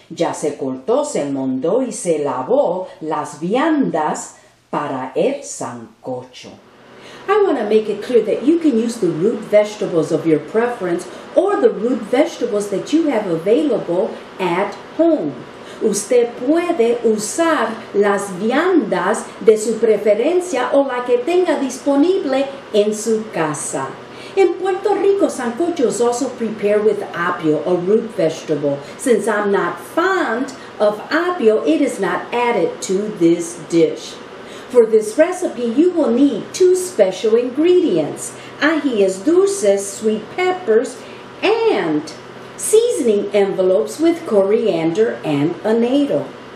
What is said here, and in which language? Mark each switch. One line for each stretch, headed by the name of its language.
Spanish: Ya se cortó, se mondó, y se lavó las viandas para el sancocho.
English: I want to make it clear that you can use the root vegetables of your preference or the root vegetables that you have available at home.
Spanish: Usted puede usar las viandas de su preferencia o la que tenga disponible en su casa.
English: In Puerto Rico, sancocho is also prepared with apio, a root vegetable. Since I'm not fond of apio, it is not added to this dish. For this recipe, you will need two special ingredients.
Spanish: Ají es dulces,
English: sweet peppers, and seasoning envelopes with coriander and annatto.